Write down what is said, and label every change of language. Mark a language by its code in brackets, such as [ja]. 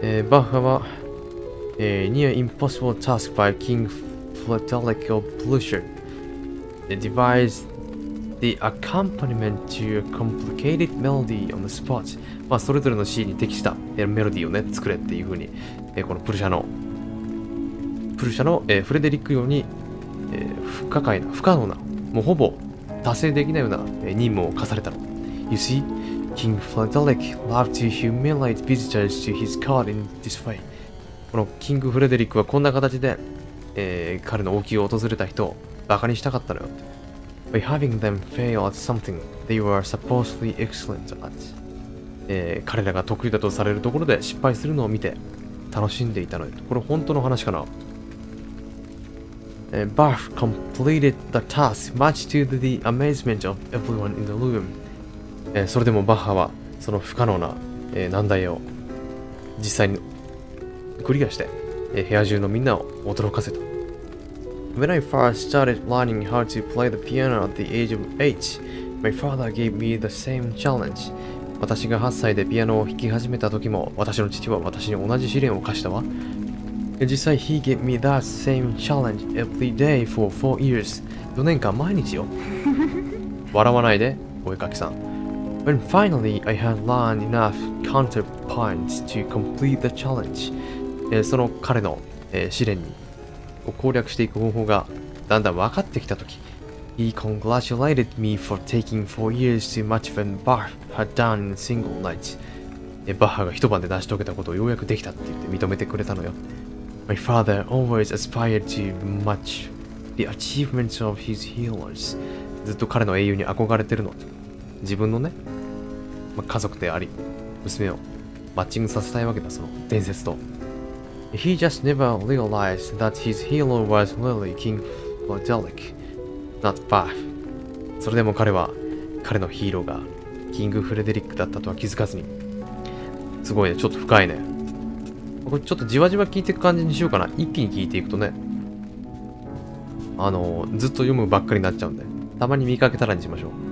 [ja] バッハは、 [en] Near Impossible Task by King Frederick of Prussia devised the accompaniment to a complicated melody on the spot。 [ja] まあそれぞれのシーンに適したメロディーをね作れっていう風に、このプルシャの、フレデリック用に、不可解な不可能なもうほぼ達成できないような任務を課されたの。 [en] You see, King Frederick loved to humiliate visitors to his court in this way。 [ja] このキングフレデリックはこんな形で、彼の王宮を訪れた人をバカにしたかったのよ。 [en] By having them fail at something they were supposedly excellent at。 [ja] 彼らが得意だとされるところで失敗するのを見て楽しんでいたのよ。これ本当の話かな。 [en] Barth completed the task much to the amazement of everyone in the room。 [ja] それでもバッハはその不可能な、難題を実際にクリアして、部屋中のみんなを驚かせた。 [en] When I first started learning how to play the piano at the age of 8, my father gave me the same challenge。 [ja] 私が8歳でピアノを弾き始めた時も、私の父は私に同じ試練を課したわ。実際、 [en] he gave me that same challenge every day for 4 years。 [ja] 4年間毎日よ。笑わないで、お絵描きさん。 [en] When finally I had learned enough counterpoints to complete the challenge。 [ja] その彼の、試練に攻略していく方法がだんだん分かってきたとき、 [en] He congratulated me for taking 4 years to match when Bach had done in a single night。 [ja] バッハが一晩で成し遂げたことをようやくできたって言って認めてくれたのよ。 [en] My father always aspired to match the achievements of his heroes。 [ja] ずっと彼の英雄に憧れてるの。自分のね、ま、家族であり娘をマッチングさせたいわけだ、その伝説と。 [en] He just never realized that his hero was really King Frederick, not Bach. [ja] それでも彼は彼のヒーローがキングフレデリックだったとは気づかずに。すごいね、ちょっと深いね。これちょっとじわじわ聞いていく感じにしようかな。一気に聞いていくとね、ずっと読むばっかりになっちゃうんで、たまに見かけたらにしましょう。